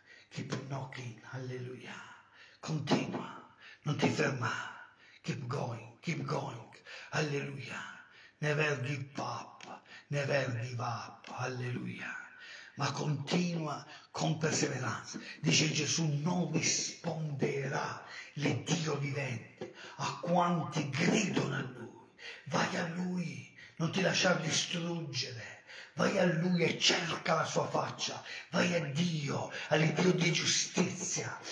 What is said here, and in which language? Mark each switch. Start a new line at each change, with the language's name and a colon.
English: Keep knocking, alleluia.
Italian: Continua, non ti fermare.
English: Keep going, alleluia. Never give up, never give up, alleluia.
Italian: Ma continua con perseveranza. Dice Gesù: non risponderà il Dio vivente a quanti gridano a Lui. Vai a Lui, non ti lasciar distruggere. Vai a Lui e cerca la sua faccia. Vai a Dio, all'Dio di giustizia.